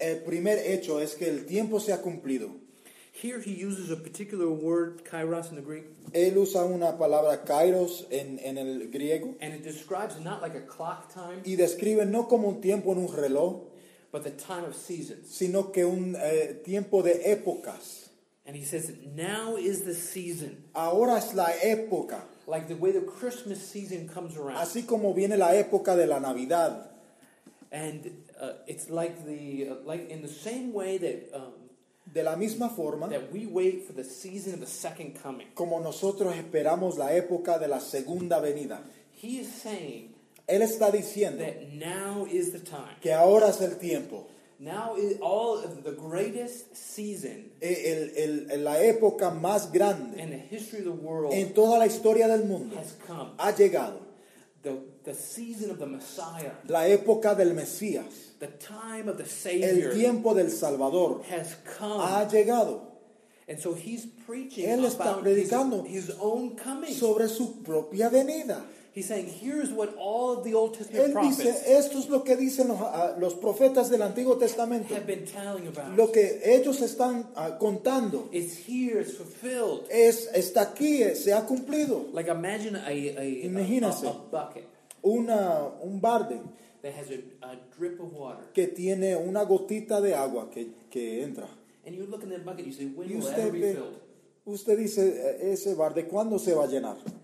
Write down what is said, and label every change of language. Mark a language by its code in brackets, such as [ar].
[es] El primer hecho es que el tiempo se ha cumplido. [en] Here he uses a particular word, kairos, in the Greek. [es] Él usa una palabra kairos en el griego. [en] And it describes not like a clock time. [es] Y describe no como un tiempo en un reloj. [en] But the time of seasons. [es] Sino que un tiempo de épocas. [en] And he says, now is the season. [es] Ahora es la época. [en] like the way the Christmas season comes around. [es] Así como viene la época de la Navidad. [en] And it's like the like in the same way that [es] de la misma forma [en] that we wait for the season of the second coming. [es] Como nosotros esperamos la época de la segunda venida. [en] He is saying [es] Él está diciendo [en] that now is the time. [es] Que ahora es el tiempo. [en] Now is all the greatest season [es] la época más grande [en] in the history of the world [es] en toda la historia del mundo [en] has come. [es] Ha llegado. [en] The season of the Messiah. [es] La época del Mesías. [en] The time of the Savior. [es] El tiempo del Salvador. [en] Has come. [es] Ha llegado. [en] And so he's preaching [es] Él está [en] about [es] predicando [en] his own coming. [es] Sobre su propia venida. [en] He's saying, here's what all of the Old Testament [es] Él dice, [en] prophets [es] esto es lo que dicen los profetas del Antiguo Testamento. [en] Have been telling about. [es] Lo que ellos están contando. [en] It's here, it's fulfilled. [es] Está aquí, se ha cumplido. [en] Like imagine a bucket. [es] Un barde. [en] That has a drip of water. [es] Que tiene una gotita de agua que entra. [en] And you look in that bucket, you say, when will that be filled? [es] Usted dice, ese barde, ¿cuándo se va a llenar?